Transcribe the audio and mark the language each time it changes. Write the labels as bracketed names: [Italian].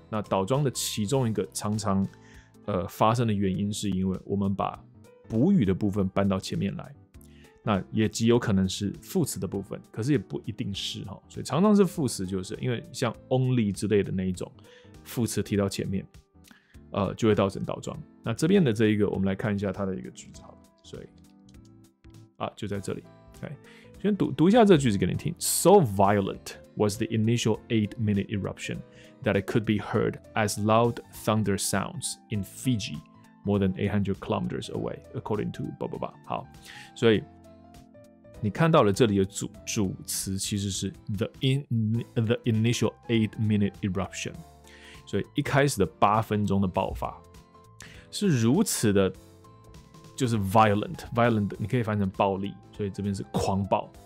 [Chinese] 那倒装的其中一个常常发生的原因，是因为我们把补语的部分搬到前面来，那也极有可能是副词的部分，可是也不一定是，所以常常是副词，就是因为像 only 之类的那一种副词提到前面，就会造成倒装。那这边的这一个，我们来看一下它的一个句子，好了，所以就在这里 ，OK， 先读一下这句子给你听。 [English] So violent was the initial 8-minute eruption that it could be heard as loud thunder sounds in Fiji, more than 800 kilometers away, according to 叭叭叭。 [Chinese] 好，所以你看到了这里的主词其实是 [English] the initial 8-minute eruption， [Chinese] 所以一开始的八分钟的爆发是如此的，就是 violent， 你可以翻成暴力，所以这边是狂暴。